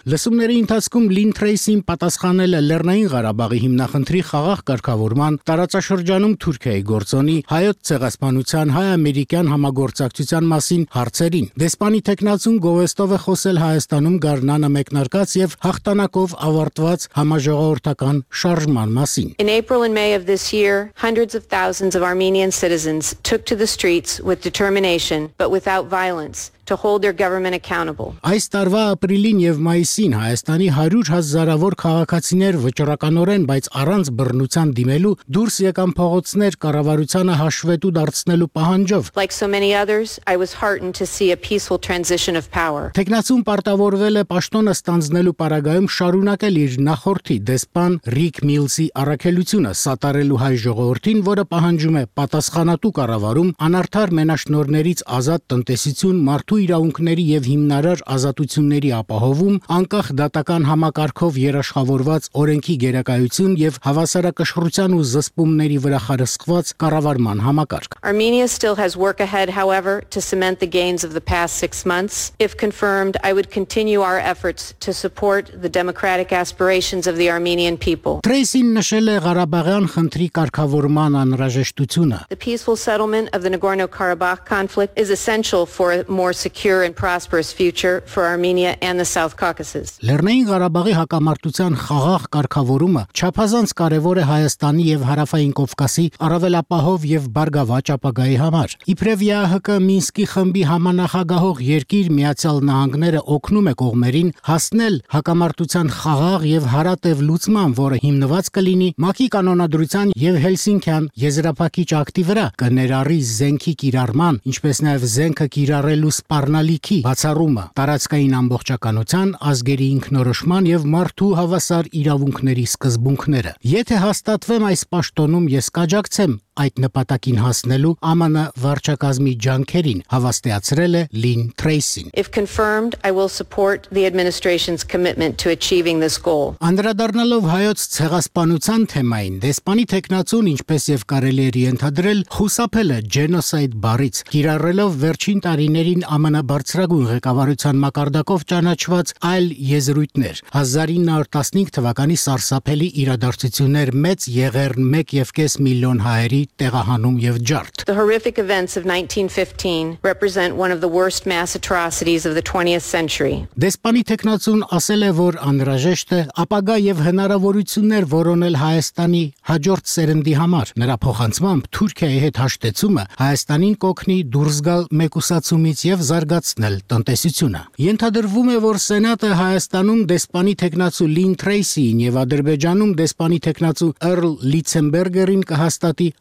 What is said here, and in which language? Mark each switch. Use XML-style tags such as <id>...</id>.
<hy>Լսումների ընթացքում Լին Թրեյսին պատասխանել է Լեռնային Ղարաբաղի հիմնախնդրի խաղաղ կարգավորման, տարածաշրջանում Թուրքիայի գործոնի, հայոց ցեղասպանության, հայ-ամերիկյան համագործակցության մասին հարցերին։ Դեսպանի թեկնածուն Գովեստով է խոսել Հայաստանում գարնանը մեկնարկած և հաղթանակով ավարտված համաժողովրդական շարժման մասին։</hy> <en>In April and May of this year, hundreds of thousands of Armenian citizens took to the streets with determination, but without violence. To hold their government accountable.</en> <hy>Այս տարվա ապրիլին եւ մայիսին Հայաստանի 100 հազարավոր քաղաքացիներ վճռականորեն, բայց առանց բռնության դիմելու դուրս եկան փողոցներ կառավարությանը հաշվետու դարձնելու պահանջով։</hy> <en>Like so many others, I was heartened to see a peaceful transition of power.</en> <hy>Տեխնացում պարտավորվել է պաշտոնը ստանձնելու պարագայում շարունակել իր նախորդի դեսպան Ռիկ Միլսի առաքելությունը, սատարելու հայ ժողովրդին, որը պահանջում է պատասխանատու կառավարում, անարդար մենաշնորներից ազատ տնտեսություն, մարդու իրավունքների եւ հիմնարար ազատությունների ապահովում, անկախ դատական համակարգով երաշխավորված օրենքի գերակայություն եւ հավասարակշռության ու զսպումների վրա խարսված կառավարման համակարգ։</hy> <en>Armenia still has work ahead, however, to cement the gains of the past 6 months. If confirmed, I would continue our efforts to support the democratic aspirations of the Armenian people.</en> <hy>Թրեյսին նշել է Ղարաբաղյան խնդրի կարգավորման անհրաժեշտությունը։</hy> <en>The peaceful settlement of the Nagorno-Karabakh conflict is essential for more secure and prosperous future for Armenia and the South Caucasus.</en> <hy>Լեռնային Ղարաբաղի հակամարտության խաղաղ կարգավորումը չափազանց կարևոր է Հայաստանի եւ Հարավային Կովկասի առավելապահով եւ բարգավաճ ապագայի համար։ Իբրև ՀՀԿ Մինսկի խմբի համանախագահող երկիր Միացյալ Նահանգները օգնում է կողմերին հասնել հակամարտության խաղաղ եւ հարատեւ լուծման, որը հիմնված կլինի ՄԱԿ-ի կանոնադրության եւ Հելսինկյան եզրափակիչ ակտի վրա, կներառի զենքի կիրառման, ինչպես նաեւ զենքը կիրառ լուս սպառնալիքի բացառումը, տարածքային ամբողջականության, ազգերի ինքնորոշման եւ մարդու հավասար իրավունքների սկզբունքները։ Եթե հաստատվեմ այս պաշտոնում, ես կաջակցեմ այդ նպատակին հասնելու ԱՄՆ վարչակազմի ջանքերին, հավաստիացրել է Լին Թրեյսին։</hy> <en>If confirmed, I will support the administration's commitment to achieving this goal.</en> <hy>Անդրադառնալով հայոց ցեղասպանության թեմային, դեսպանի թեկնածուն, ինչպես եւ կարելի էր ենթադրել, խուսափել է ջենոսայդ բառից, կիրառելով վերջին տարիներին ԱՄՆ բարձրագույն ղեկավարության մակարդակով ճանաչված այլ եզրույթներ. 1915 թվականի սարսափելի իրադարձություններ, մեծ եղեռն, 1.5 միլիոն հայ տեղահանում եւ ջարդ։</hy> <en>The horrific events of 1915 represent one of the worst mass atrocities of the 20th century.</en> <hy>Դեսպանի թեկնածուն ասել է, որ անհրաժեշտ է ապագա եւ հնարավորություններ որոնել Հայաստանի հաջորդ սերնդի համար։ Նրա փոխանցմամբ Թուրքիայի հետ հաշտեցումը Հայաստանին կօգնի դուրս գալ մեկուսացումից եւ զարգացնել տնտեսությունը։ Ենթադրվում է, որ Սենատը Հայաստանում դեսպանի թեկնածու Լին Թրեյսին եւ Ադրբեջանում դեսպանի թեկնածու Էրլ Լիցենբերգերին կհաստատի</hy>